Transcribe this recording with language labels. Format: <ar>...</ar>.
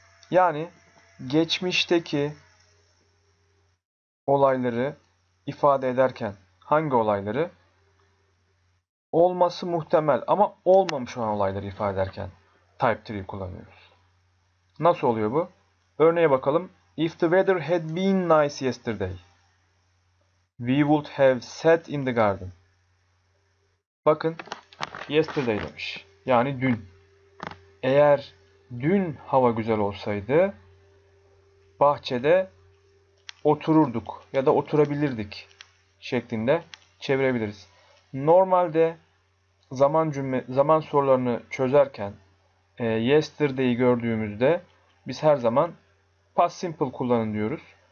<tr>Yani geçmişteki olayları ifade ederken hangi olayları? Olması muhtemel ama olmamış olan olayları ifade ederken Type 3 kullanıyoruz. Nasıl oluyor bu? Örneğe bakalım.</tr> <en>If the weather had been nice yesterday, we would have sat in the garden.</en> <tr>Bakın, yesterday demiş. Yani dün. Eğer dün hava güzel olsaydı, bahçede otururduk ya da oturabilirdik şeklinde çevirebiliriz. Normalde zaman sorularını çözerken yesterday'i gördüğümüzde biz her zaman past simple kullanın diyoruz.</tr>